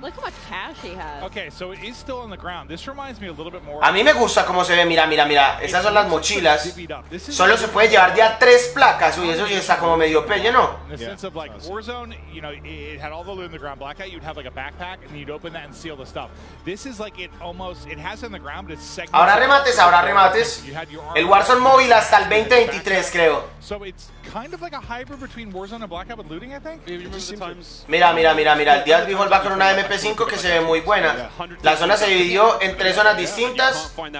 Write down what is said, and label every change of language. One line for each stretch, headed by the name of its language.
English: Look how much cash he has. Okay, so it is still on the ground. This reminds me a little bit more.
Spanish: A mí me gusta cómo se ve. Mira, mira, mira. Esas son las mochilas. Solo se puede llevar ya tres placas. Uy, eso sí está como medio pello, ¿no?
English: In the sense of like Warzone, you know, it had all the loot in the ground. Blackout, you'd have like a backpack and you'd open that and see all the stuff. This is like it almost, it has in the ground, but it's second.
Spanish: Ahora remates, ahora remates. El Warzone móvil hasta el 2023, creo.
English: So it's kind of like a hybrid between Warzone and Blackout with looting, I think.
Spanish: Mira, mira, mira, mira. El Diaz Bihol va con una MP5 que se ve muy buena. La zona se dividió en tres zonas distintas.